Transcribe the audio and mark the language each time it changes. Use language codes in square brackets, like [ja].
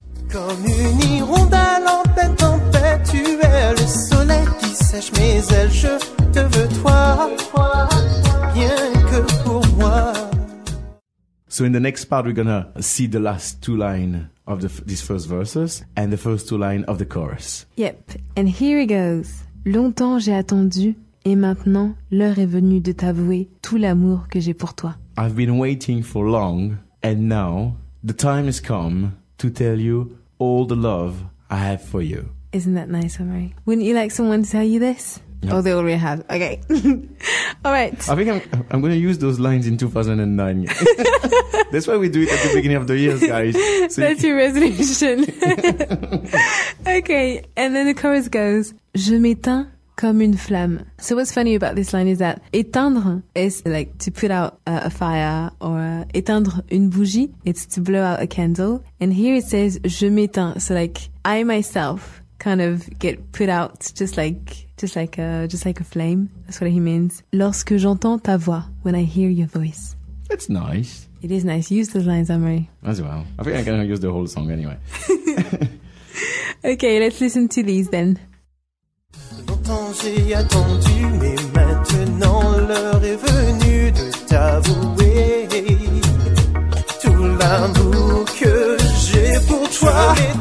[fr] Comme une hirondelle en pleine tempête, tu es le soleil qui sèche mes ailes. Je te veux toi, rien que pour moi. [en] So in the next part, we're gonna see the last two lines of these first verses and the first two lines of the chorus. Yep, and here he goes. [fr] Longtemps j'ai attendu et maintenant l'heure est venue de t'avouer tout l'amour que j'ai pour toi. [en] I've been waiting for long and now the time has come to tell you all the love I have for you. Isn't that nice, Omri? Wouldn't you like someone to tell you this? Yeah. Oh, they already have. Okay. All right. I think I'm going to use those lines in 2009. That's why we do it at the beginning of the year, guys. So that's your resolution. Okay. And then the chorus goes, [fr] je m'éteins comme une flamme. [en] So what's funny about this line is that éteindre is like to put out a fire, or [fr] éteindre une bougie, [en] it's to blow out a candle. And here it says, [fr] je m'éteins. [en] So like, I myself kind of get put out just like a flame. That's what he means. [fr] Lorsque j'entends ta voix, [en] when I hear your voice. That's nice. It is nice. Use those lines, Amory. As well. I think I'm going to use the whole song anyway. Okay, let's listen to these then. [fr] Longtemps j'ai attendu, mais maintenant l'heure est venue de t'avouer tout l'amour que j'ai pour toi.